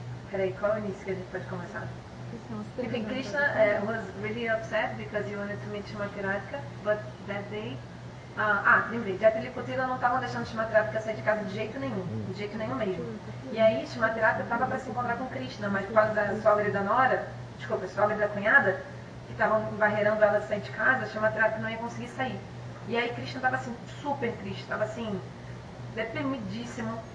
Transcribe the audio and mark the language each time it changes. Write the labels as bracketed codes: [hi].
[pt] Peraí, qual é o início que a gente pode começar? [en] Enfim, Krishna was really upset because he wanted to meet Srimati Radhika, but that day... [pt] lembrei, Jatali e Kutila não estavam deixando Srimati Radhika sair de casa de jeito nenhum mesmo. E aí Srimati Radhika estava para se encontrar com Krishna, mas por causa da sogra e da nora, desculpa, sogra e da cunhada, que estavam embarreirando ela sair de casa, Srimati Radhika não ia conseguir sair. E aí Krishna estava assim, super triste, estava assim, deprimidíssimo.